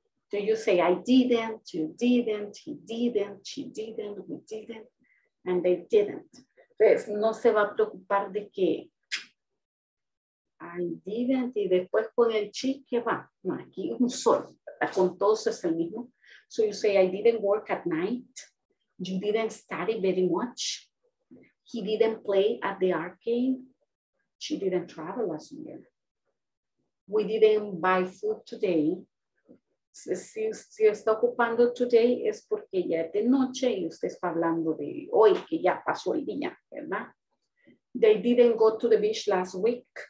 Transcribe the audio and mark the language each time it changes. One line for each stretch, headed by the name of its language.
English: Do you say, I didn't, you didn't, he didn't, she didn't, we didn't, and they didn't.
Spanish: Pues no se va a preocupar de que
English: I didn't,
Spanish: y después con el she, ¿qué va? No, aquí un solo, con todos es el mismo.
English: So you say, I didn't work at night, you didn't study very much, he didn't play at the arcade, she didn't travel last year, we didn't buy food today.
Spanish: Si está ocupando today es porque ya es de noche y usted está hablando de hoy, que ya pasó el día, ¿verdad?
English: They didn't go to the beach last week.